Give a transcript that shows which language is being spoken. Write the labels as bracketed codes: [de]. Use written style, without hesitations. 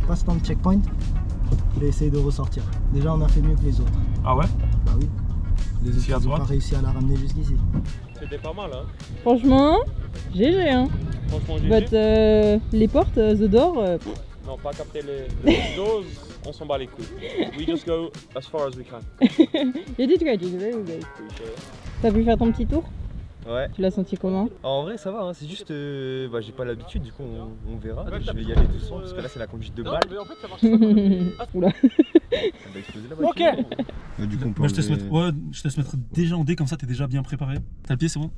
[fr] Passe dans le checkpoint. Je vais essayer de ressortir. Déjà, on a fait mieux que les autres. Ah ouais? Bah oui. Les autres, ils ont pas réussi à la ramener jusqu'ici. C'était pas mal, hein? Franchement, GG, hein? Franchement, GG. [en] But, [fr] les portes, [en] the door. [fr] Non, pas capter les doses, on s'en bat les couilles. [en] We just go as far as we can. You did great, you did great. Okay. [fr] T'as pu faire ton petit tour? Ouais. Tu l'as senti comment? En vrai, ça va, hein. C'est juste. Bah, j'ai pas l'habitude, du coup, on verra. Ouais, je vais y aller doucement, parce que là, c'est la conduite de balle. Non, mais en fait, ça marche pas. Oula. Ok. Moi, je te laisse mettre déjà en D, comme ça, t'es déjà bien préparé. T'as le pied, c'est bon?